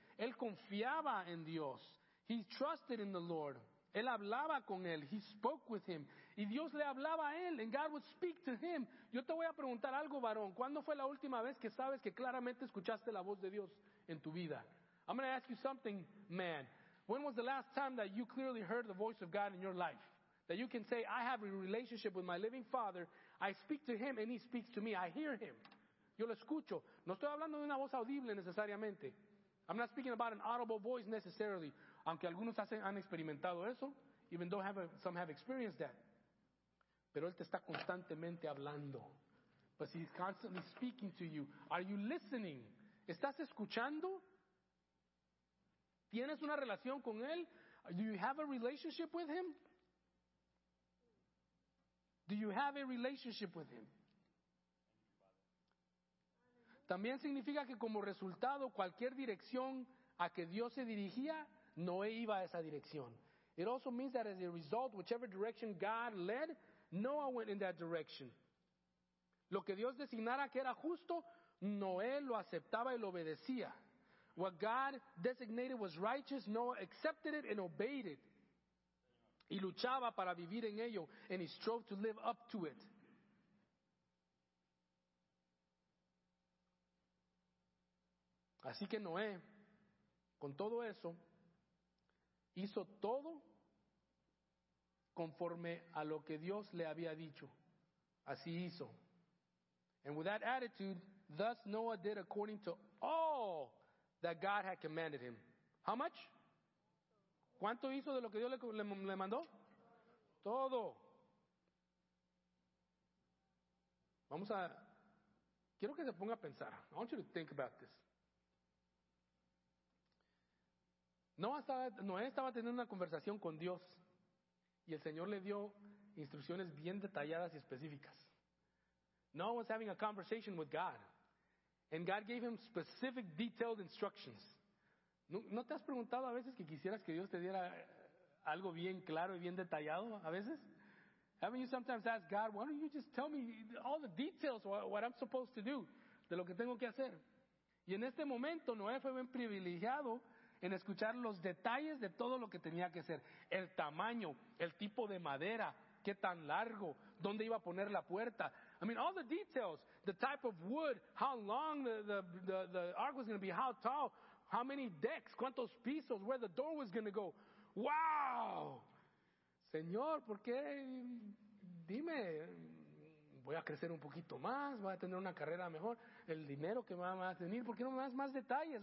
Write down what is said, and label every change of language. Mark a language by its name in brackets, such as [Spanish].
[Spanish] Él confiaba en Dios. [English] He trusted in the Lord. [Spanish] Él hablaba con él. [English] He spoke with him. [Spanish] Y Dios le hablaba a él. [English] And God would speak to him. [Spanish] Yo te voy a preguntar algo, varón. ¿Cuándo fue la última vez que sabes que claramente escuchaste la voz de Dios en tu vida? [English] I'm going to ask you something, man. When was the last time that you clearly heard the voice of God in your life? That you can say, I have a relationship with my living Father. I speak to Him and He speaks to me. I hear Him. [Spanish] Yo lo escucho. No estoy hablando de una voz audible necesariamente. [English] I'm not speaking about an audible voice necessarily. [Spanish] Aunque algunos han experimentado eso, [English] even though some have experienced that. [Spanish] Pero Él te está constantemente hablando. [English] But he's constantly speaking to you. Are you listening? [Spanish] ¿Estás escuchando? ¿Tienes una relación con él? [English] Do you have a relationship with him? Do you have a relationship with him? [Spanish] También significa que como resultado, cualquier dirección a que Dios se dirigía, Noé iba a esa dirección. [English] It also means that as a result, whichever direction God led, Noah went in that direction. [Spanish] Lo que Dios designara que era justo, Noé lo aceptaba y lo obedecía. [English] What God designated was righteous, Noah accepted it and obeyed it. [Spanish] Y luchaba para vivir en ello, [English] and he strove to live up to it. [Spanish] Así que Noé, con todo eso, hizo todo conforme a lo que Dios le había dicho. Así hizo. [English] And with that attitude, thus Noah did according to all that God had commanded him. How much? [Spanish] ¿Cuánto hizo de lo que Dios le mandó? Todo. Vamos a... Quiero que se ponga a pensar. [English] I want you to think about this. [Spanish] Noé estaba teniendo una conversación con Dios y el Señor le dio instrucciones bien detalladas y específicas. [English] Noah was having a conversation with God and God gave him specific detailed instructions. [Spanish] ¿No te has preguntado a veces que quisieras que Dios te diera algo bien claro y bien detallado a veces? [English] Haven't you sometimes asked God, why don't you just tell me all the details of what I'm supposed to do, [Spanish] de lo que tengo que hacer? Y en este momento Noé fue bien privilegiado en escuchar los detalles de todo lo que tenía que hacer. El tamaño, el tipo de madera, qué tan largo, dónde iba a poner la puerta. [English] I mean, all the details, the type of wood, how long the ark was going to be, how tall, how many decks, [Spanish] cuántos pisos, [English] where the door was going to go. [Spanish] ¡Wow! Señor, ¿por qué? Dime, voy a crecer un poquito más, voy a tener una carrera mejor, el dinero que me va a tener, ¿por qué no me das más detalles?